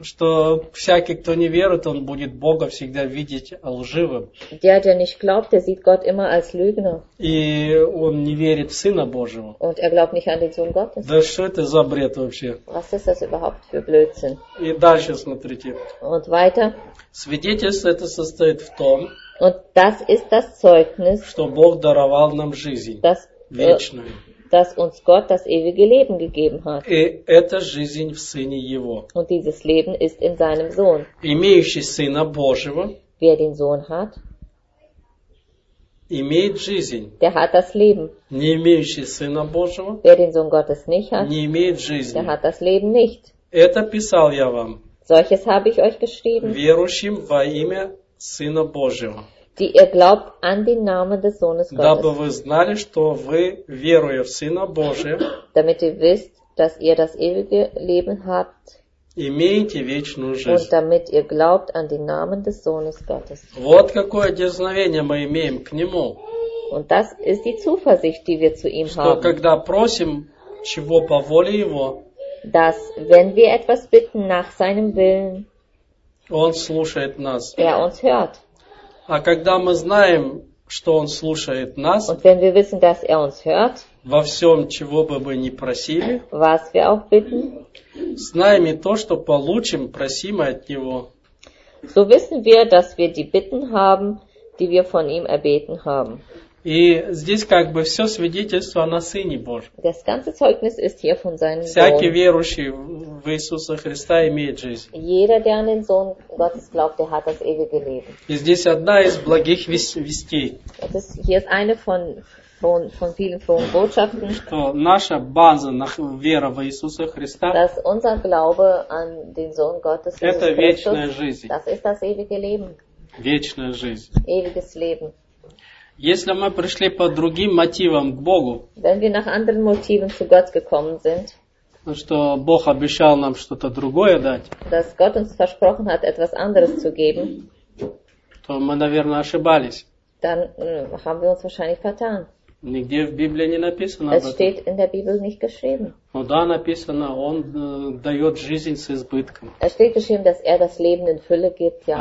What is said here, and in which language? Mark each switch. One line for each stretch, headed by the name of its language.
Russian: Что всякий, кто не верит, он будет Бога всегда видеть лживым.
German: Der, der nicht glaubt, der sieht Gott immer als Lügner.
Russian: И он не верит в Сына Божьего.
German: Und er glaubt nicht an den Sohn Gottes.
Russian: Да что это за бред вообще?
German: Was ist das überhaupt für Blödsinn?
Russian: И дальше смотрите.
German: Und weiter.
Russian: Свидетельство это состоит в том,
German: Und das ist das Zeugnis,
Russian: что Бог даровал нам жизнь вечную.
German: dass uns Gott das ewige Leben gegeben hat.
Russian: И эта жизнь в Сыне Его.
German: Und dieses Leben ist in seinem Sohn.
Russian: Имеющий Сына Божьего.
German: Wer den Sohn hat.
Russian: Имеет жизнь.
German: Der hat das Leben.
Russian: Не имеющий Сына Божьего.
German: Wer den Sohn Gottes nicht hat.
Russian: Не имеет жизни.
German: Der hat das Leben nicht.
Russian: Это писал я вам.
German: Solches habe ich euch geschrieben.
Russian: Верующим во имя Сына Божьего.
German: Die ihr glaubt an den Namen des Sohnes Gottes.
Russian: Дабы вы знали, что вы, веруя в Сына Божия,
German: damit ihr wisst, dass ihr das ewige Leben habt,
Russian: имеете вечную жизнь.
German: Und damit ihr glaubt an den Namen des Sohnes Gottes.
Russian: Вот какое дерзновение мы имеем к Нему.
German: Und das ist die Zuversicht, die wir zu ihm
Russian: что,
German: haben.
Russian: Когда просим, чего по воле Его,
German: dass, wenn wir etwas bitten nach seinem Willen,
Russian: Он слушает нас.
German: Er uns hört.
Russian: А когда мы знаем, что Он слушает нас,
German: und wenn wir wissen, dass er uns hört,
Russian: во всем, чего бы мы ни просили,
German: was wir auch bitten,
Russian: знаем и то, что получим, просимое от Него,
German: so wissen wir, dass wir die Bitten haben, die wir von ihm erbeten haben.
Russian: И здесь как бы все свидетельство на Сыне Божьем.
German: Das ganze Zeugnis ist hier von seinem Sohn.
Russian: Всякий верующий в Иисуса Христа имеет жизнь.
German: Jeder, der an den Sohn Gottes glaubt, der hat das ewige Leben.
Russian: И здесь одна из благих вестей.
German: Das ist, hier ist eine von vielen frohen Botschaften.
Russian: Что наша база на вера в Иисуса Христа.
German: Dass unser Glaube an den Sohn Gottes ist.
Russian: Это вечная жизнь.
German: Das ist das ewige Leben.
Russian: Вечная жизнь.
German: Ewiges Leben.
Russian: Если мы пришли по другим мотивам к Богу,
German: wenn wir nach anderen Motiven zu Gott gekommen sind,
Russian: что Бог обещал нам что-то другое дать,
German: dass Gott uns versprochen hat, etwas anderes zu geben,
Russian: то мы, наверное, ошибались.
German: Dann haben wir uns wahrscheinlich vertan.
Russian: Нигде в Библии не написано.
German: Es steht in der Bibel nicht geschrieben.
Russian: Но да, написано, Он дает жизнь с избытком.
German: Es steht geschrieben, dass er das Leben in Fülle gibt, ja.